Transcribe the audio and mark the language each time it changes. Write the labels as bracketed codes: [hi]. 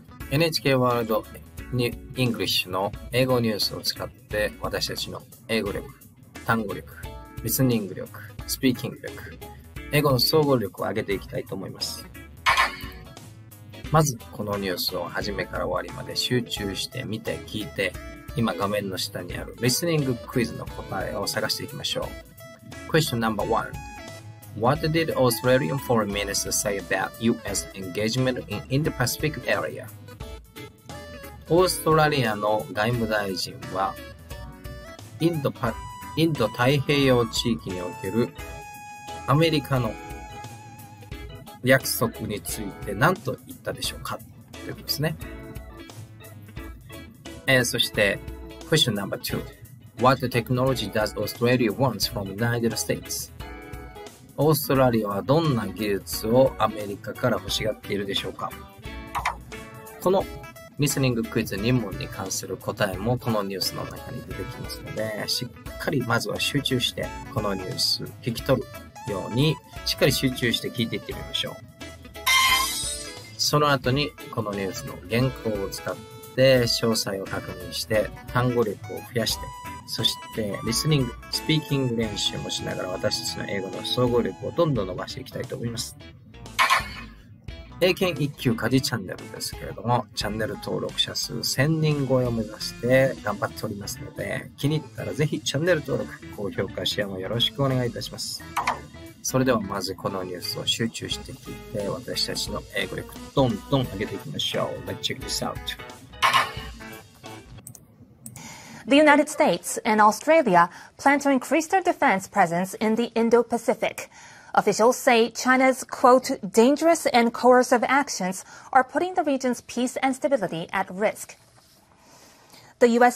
[ja] NHK ワールドイングリッシュの英語ニュースを使って私たちの英語力、単語力、リスニング力、スピーキング力、英語の総合力を上げていきたいと思います。まずこのニュースを始めから終わりまで集中して見て聞いて、今画面の下にあるリスニングクイズの答えを探していきましょう。 [en] Question No.1 What did Australian Foreign Minister say about US engagement in Indo-Pacific area? [ja] オーストラリアの外務大臣はインド太平洋地域におけるアメリカの約束について何と言ったでしょうかということですね。 [en] そして Question No.2 What technology does Australia want from the United States? [ja] オーストラリアはどんな技術をアメリカから欲しがっているでしょうか。このリスニングクイズ2問に関する答えもこのニュースの中に出てきますので、しっかりまずは集中してこのニュース聞き取るようにしっかり集中して聞いていってみましょう。その後にこのニュースの原稿を使って詳細を確認して単語力を増やして、そしてリスニング、スピーキング練習もしながら私たちの英語の総合力をどんどん伸ばしていきたいと思います。英検一級カジチャンネルですけれども、チャンネル登録者数1000人超えを目指して頑張っておりますので、気に入ったらぜひチャンネル登録、高評価、シェアもよろしくお願いいたします。それではまずこのニュースを集中して聞いて、私たちの英語力どんどん上げていきましょう。 [en] Let's check this out. The United States and Australia plan to increase their defense presence in the Indo-Pacific. Officials say China's, quote, dangerous and coercive actions are putting the region's peace and stability at risk. The U.S.